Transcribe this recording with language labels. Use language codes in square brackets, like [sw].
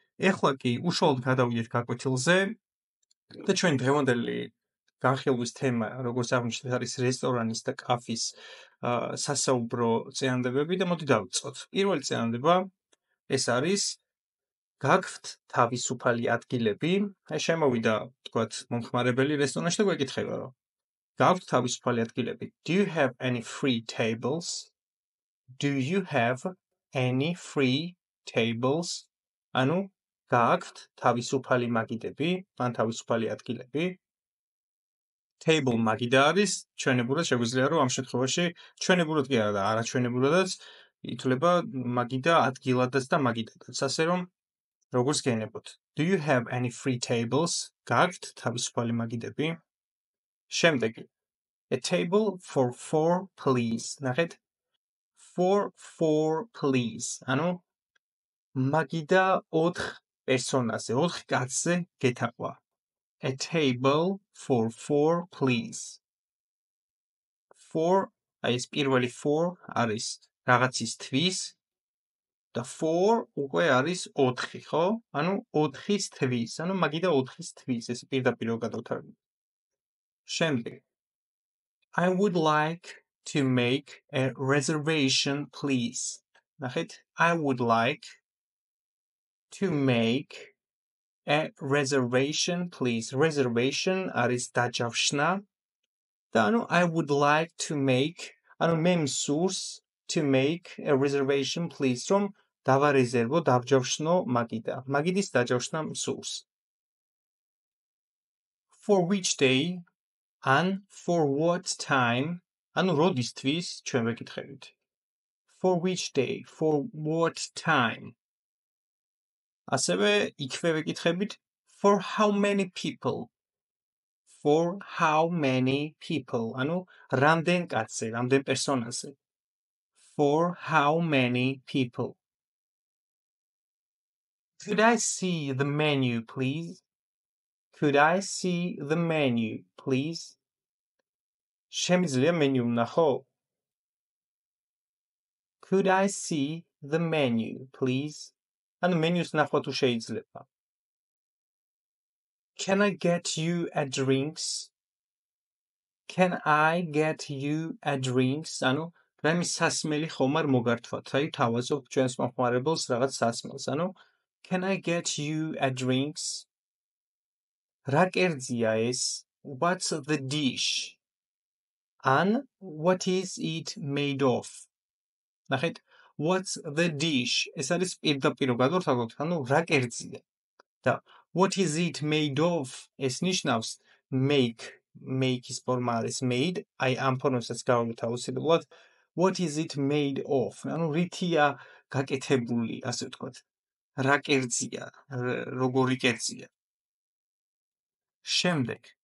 [ka] ეხლა კი უშუალოდ გადავიდეთ გაკვეთილზე და ჩვენი დღევანდელი განხილვის თემა, როგორც აღნიშნეთ, არის რესტორანის და კაფის სასაუბრო წინადადებები და მოდი დავიწყოთ. პირველი წინადადება ეს არის: გაქვთ თავისუფალი ადგილები? აი შემოვიდა თქვათ მომხმარებელი რესტორანში და გეკითხება, რომ გაქვთ თავისუფალი ადგილები. [en] Do you have any free tables? Do you have any free tables? [ka] Ანუ გაქვთ თავისუფალი მაგიდები, ან თავისუფალი ადგილები? Table მაგიდა არის, ჩვენებურად შეგვიძლია რომ ამ შემთხვევაში, ჩვენებურად კი არა და არაჩვენებურადაც ითვლება მაგიდა ადგილადაც და მაგიდადაც. ასე რომ როგორც გენებოთ. [en] Do you have any free tables? [ka] გაქვთ თავისუფალი მაგიდები? შემდეგი. [en] A table for 4 please. [ka] ნახეთ. [en] four please. [ka] ანუ მაგიდა 4 პერსონაზე, 4 კაცზე გეთაყვა. [en] A table for 4 please. [ka] 4 ეს პირველი 4 არის რაღაცისთვის და 4 უკვე არის 4, ხო? ანუ 4-ისთვის, ანუ მაგიდა 4-ისთვის, ეს პირდაპირ გადავთარგმნი. შემდეგ. [en] I would like to make a reservation please. [ka] ნახეთ, [en] I would like to make a reservation please. [ka] Reservation არის დაჯავშნა და ანუ [en] I would like to make, [ka] ანუ მე მსურს [en] to make a reservation please, [ka] რომ დავარეზერვო, დაჯავშნო მაგიდა. მაგიდის დაჯავშნა მსურს. [en] For which day and for what time? [ka] ანუ როდისთვის, ჩვენ ვეკითხებით. [en] For which day, for what time? [ka] ასევე იქვე ვეკითხებით, [en] for how many people? For how many people? [ka] ანუ რამდენ კაცზე, რამდენ პერსონაზე? [en] For how many people? Could I see the menu, please? Could I see the menu, please? [ka] შემიძლია მენიუ ვნახო? [en] Could I see the menu, please? [ka] ანუ მენიუს ნახვა თუ შეიძლება. [en] Can I get you a drinks? Can I get you a drinks? [ka] ანუ რამის სასმელი ხომ არ მოგართვათ? აი თავაზობ ჩვენს მომხმარებელს რაღაც სასმელს. ანუ [en] Can I get you a drinks? [ka] რა კერძია ეს? [en] What's the dish? And what is it made of? [ka] ნახეთ, [en] what's the dish? [ka] ეს არის პირდაპირ გადავთვალოთ, ანუ რა კერძია. და [en] what is it made of? [ka] ეს ნიშნავს make-ის ფორმა არის made, აი ამ ფორმასაც გავიმეთ აუცილებლად. [en] What is it made of? [ka] ანუ რითია გაკეთებული, ასე ვთქვათ. რა კერძია, როგორი კერძია. შემდეგ.